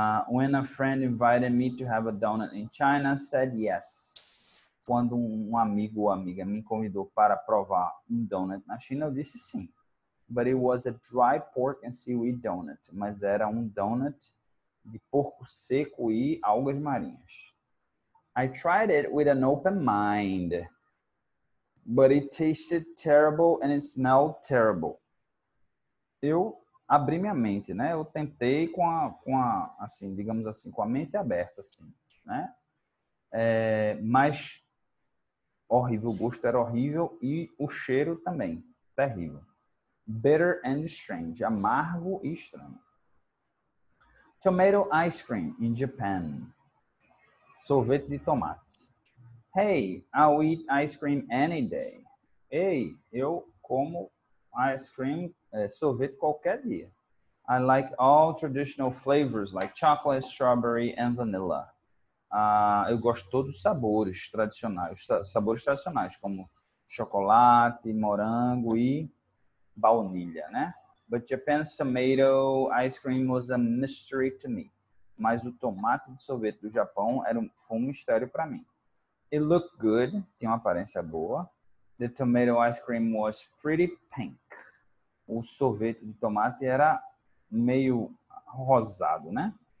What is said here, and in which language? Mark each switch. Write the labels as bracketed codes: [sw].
[en] When a friend invited me to have a donut in China, I said yes. [pt] Quando um amigo ou amiga me convidou para provar um donut na China, eu disse sim. [en] But it was a dry pork and seaweed donut. [pt] Mas era um donut de porco seco e algas marinhas. [en] I tried it with an open mind. But it tasted terrible and it smelled terrible. [pt] Eu abri minha mente, né? Eu tentei com a mente aberta, assim, né? Mas horrível, o gosto era horrível e o cheiro também, terrível. [en] Bitter and strange. [pt] Amargo e estranho. [en] Tomato ice cream in Japan. [pt] Sorvete de tomate. [en] Hey, I'll eat ice cream any day. [pt] Ei, eu como ice cream, sorvete qualquer dia. [en] I like all traditional flavors like chocolate, strawberry and vanilla. [pt] Eu gosto de todos os sabores tradicionais. Sabores tradicionais como chocolate, morango e baunilha, né? [en] But Japan's tomato ice cream was a mystery to me. [pt] Mas o tomate de sorvete do Japão foi um mistério para mim. [en] It looked good. [pt] Tinha uma aparência boa. [en] The tomato ice cream was pretty pink. [pt] O sorvete de tomate era meio rosado, né?